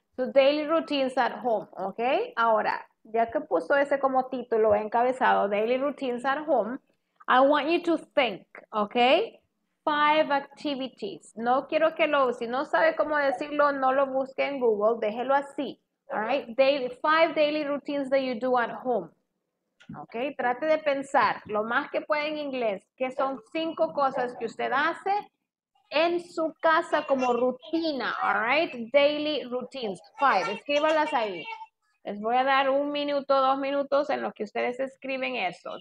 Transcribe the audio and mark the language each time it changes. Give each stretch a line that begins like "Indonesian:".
English: So, daily routines at home, okay? Ahora, ya que puso ese como título encabezado, daily routines at home, I want you to think, okay? 5 activities.
Spanish: No quiero que lo, si no sabe cómo decirlo, no lo busque en Google, déjelo así, all right?
English: Daily, 5 daily routines that you do at home.
Spanish: Okay, trate de pensar lo más que puede en inglés, que son 5 cosas que usted hace en su casa como rutina, all right? Daily routines, 5, escríbalas ahí. Les voy a dar 1 minuto, 2 minutos en los que ustedes escriben eso.